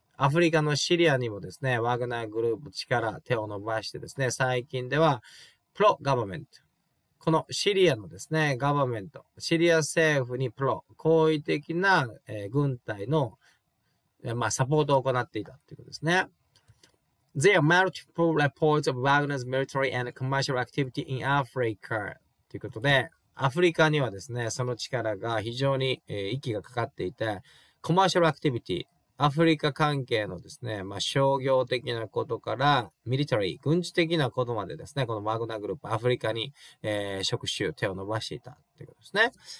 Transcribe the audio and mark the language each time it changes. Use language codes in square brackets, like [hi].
[ja] アフリカのシリアにもですね、ワグナーグループ力手を伸ばしてですね、最近ではプロガバメント、このシリアのですね、ガバメント、シリア政府にプロ、好意的な、軍隊の、まあ、サポートを行っていたということですね。 [en] There are multiple reports of Wagner's military and commercial activity in Africa. [ja] ということで、アフリカにはですね、その力が非常に、息がかかっていて、コマーシャルアクティビティ、アフリカ関係のですね、まあ、商業的なことから、ミリタリー、軍事的なことまでですね、このワグナーグループ、アフリカに、触手、手を伸ばしていたということですね。